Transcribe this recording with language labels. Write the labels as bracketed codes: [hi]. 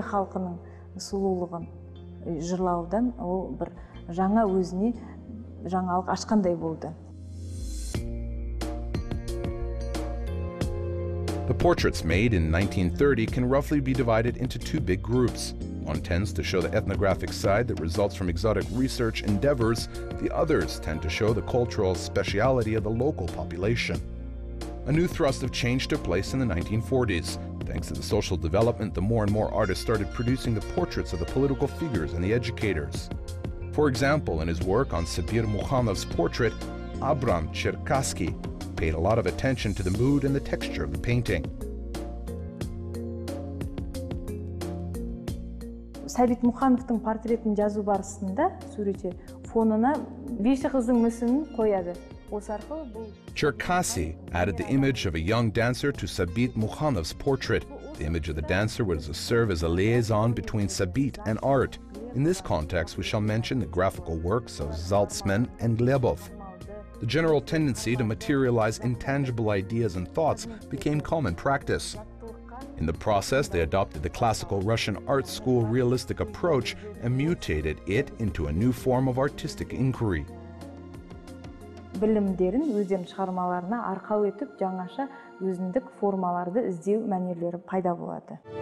[kk] Жырлаудан ол бір жаңа өзіне жаңалық ашқандай болды. [en] The portraits made in 1930 can roughly be divided into two big groups. One tends to show the ethnographic side that results from exotic research endeavors, the others tend to show the cultural speciality of the local population. A new thrust of change took place in the 1940s. Thanks to the social development, the more and more artists started producing the portraits of the political figures and the educators. For example, in his work on Sabir Mukhanov's portrait, Abram Cherkasky paid a lot of attention to the mood and the texture of the painting. [kk] Сәбит Мұхановтың портретін жазу барысында суретке фонына бес қыздың мүсінін қояды. [en] Cherkasy added the image of a young dancer to Sabit Mukhanov's portrait. The image of the dancer was to serve as a liaison between Sabit and art. In this context, we shall mention the graphical works of Zaltzman and Glebov. The general tendency to materialize intangible ideas and thoughts became common practice. In the process, they adopted the classical Russian art school realistic approach and mutated it into a new form of artistic inquiry. [kk] Білімдерін өзінің шығармаларына арқау етіп, жаңаша өзіндік формаларды іздеу мәнерлері пайда болады.